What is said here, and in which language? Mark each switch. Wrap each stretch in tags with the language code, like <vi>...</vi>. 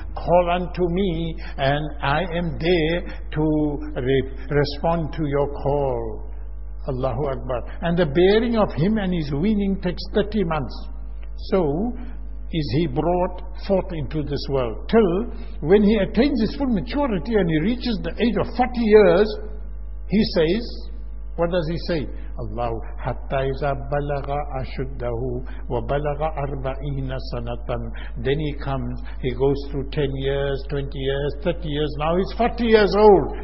<en>Call unto me and I am there to respond to your call. Allahu Akbar. And the bearing of him and his weaning takes 30 months. So is he brought forth into this world. Till when he attains his full maturity and he reaches the age of 40 years, he says, what does he say?</en> <ar>Allah, حَتَّى إِذَا بَلَغَ أَشُدَّهُ وَبَلَغَ أَرْبَعِينَ سَنَةً.</ar> <en>Then he comes, he goes through 10 years, 20 years, 30 years, now he's 40 years old.</en>